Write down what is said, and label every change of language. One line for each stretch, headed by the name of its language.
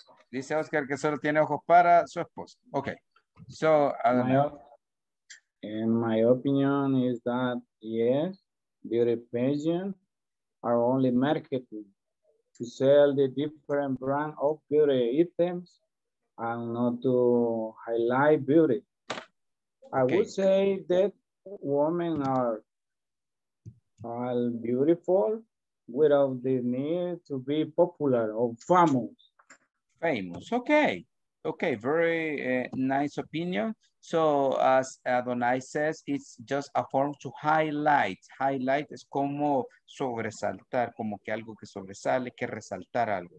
Spanish: Dice Oscar que solo tiene ojos para su esposa.
English: Okay. So, In my opinion is that, yes, beauty pageants are only marketing to sell the different brand of beauty items and not to highlight beauty. Okay. I would say that women are beautiful without the need to be popular or famous. Famous, okay. Okay, very nice opinion. So as Adonai says, it's just a form to highlight.
Spanish: Highlight es como sobresaltar, como que algo que sobresale, que resaltar algo.